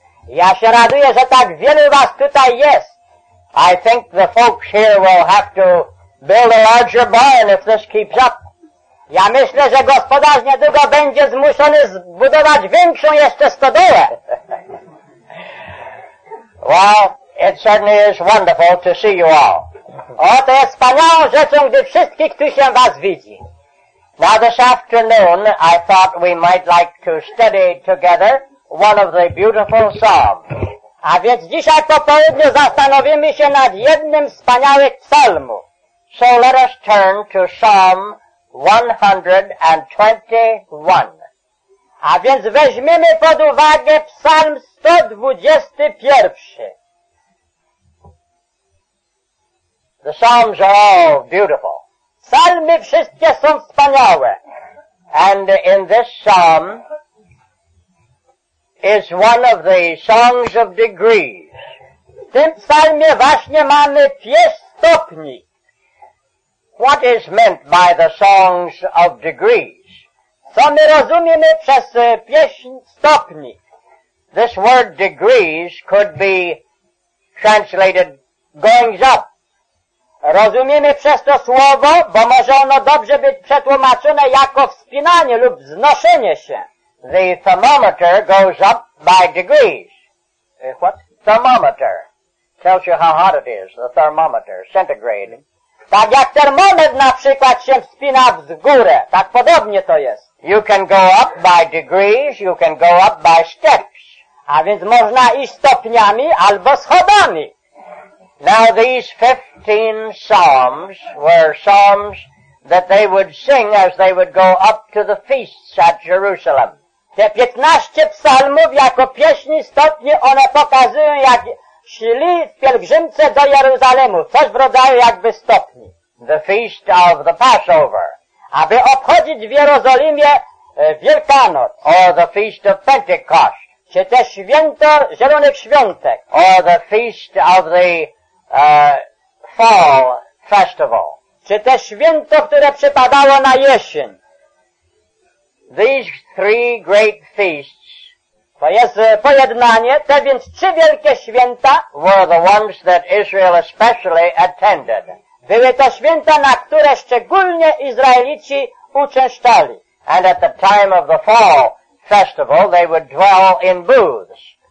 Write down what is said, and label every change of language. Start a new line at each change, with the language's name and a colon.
English: Yasharadu, yes, that very vastuta, yes. I think the folks here will have to build a larger barn if this keeps up.
Polish: Ja myślę, że gospodarz niedługo będzie zmuszony zbudować większą jeszcze stodołę.
English: Well, it certainly is wonderful to see you all.
Polish: O, to jest wspaniałą rzeczą, gdy wszystkich tu się was widzi.
English: Now this afternoon, I thought we might like to study together one of the beautiful psalms.
Polish: A więc dzisiaj po południu zastanowimy się nad jednym z wspaniałych psalmów.
English: So let us turn to Psalm 121.
Polish: A więc weźmiemy pod uwagę Psalm 121.
English: The psalms are all beautiful.
Polish: Psalmy wszystkie są wspaniałe.
English: And in this psalm is one of the songs of degrees.
Polish: W tym psalmie właśnie mamy pięć stopni.
English: What is meant by the songs of degrees?
Polish: Co my rozumiemy przez pieśń stopni?
English: This word degrees could be translated goings up.
Polish: Rozumiemy przez to słowo, bo może ono dobrze być przetłumaczone jako wspinanie lub wznoszenie się.
English: The thermometer goes up by degrees. What? Thermometer. Tells you how hot it is, the thermometer, centigrade.
Polish: Tak jak termometr na przykład się wspina w górę, tak podobnie to jest.
English: You can go up by degrees, you can go up by steps.
Polish: A więc można iść stopniami albo schodami.
English: Now these 15 psalms were psalms that they would sing as they would go up to the feasts at Jerusalem.
Polish: Te 15 psalmów jako pieśni stopni, one pokazują jak szli w pielgrzymce do Jeruzalemu, coś w rodzaju jakby stopni.
English: The feast of the Passover.
Polish: Aby obchodzić w Jerozolimie Wielkanoc.
English: Or the feast of Pentecost.
Polish: Czy też święto Zielonych Świątek.
English: Or the feast of the fall festival.
Polish: Czy też święto, które przypadało na jesień.
English: These three great feasts,
Polish: to jest pojednanie, te więc trzy wielkie święta,
English: were the ones that Israel especially attended.
Polish: Były to święta, na które szczególnie Izraelici uczęszczali.
English: And at the time of the fall festival, they would dwell in booths.